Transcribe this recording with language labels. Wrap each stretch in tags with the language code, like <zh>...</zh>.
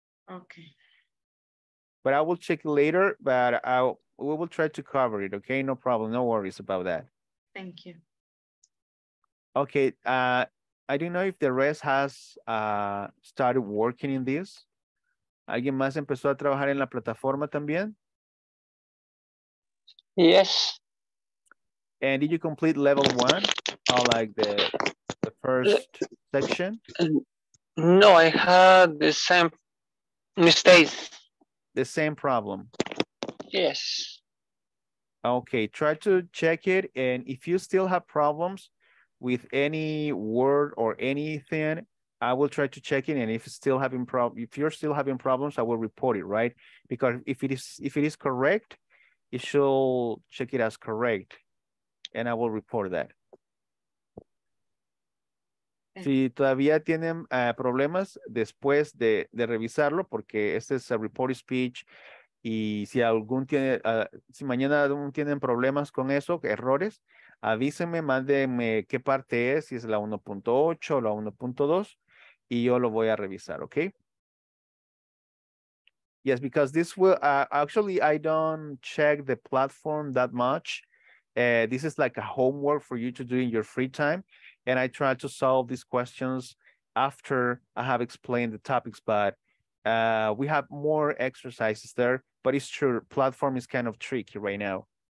<en>Okay. But I will check later, but we will try to cover it, okay? No problem, no worries about that. Thank you. Okay. I don't know if the rest has started working in this.</en> <es>¿Alguien más empezó a trabajar en la plataforma también?</es> <en>Yes. And did you complete level one, like the first section? No, I had the same mistakes. The same problem. Yes. Okay, try to check it. And if you still have problems with any word or anything, I will try to check it. And if it's still having if you're still having problems, I will report it, right? Because if it is correct, you should check it as correct. And I will report that.</en> <es>Si todavía tienen problemas después de revisarlo, porque este es a report speech, y si algún tiene, si mañana tienen problemas con eso, errores, avísenme, mándenme qué parte es, si es la 1.8 o la 1.2, y yo lo voy a revisar, ¿ok?</es> <en>Yes, because this will, actually I don't check the platform that much. This is like a homework for you to do in your free time. And I try to solve these questions after I have explained the topics, but we have more exercises there, but it's true, platform is kind of tricky right now.</en>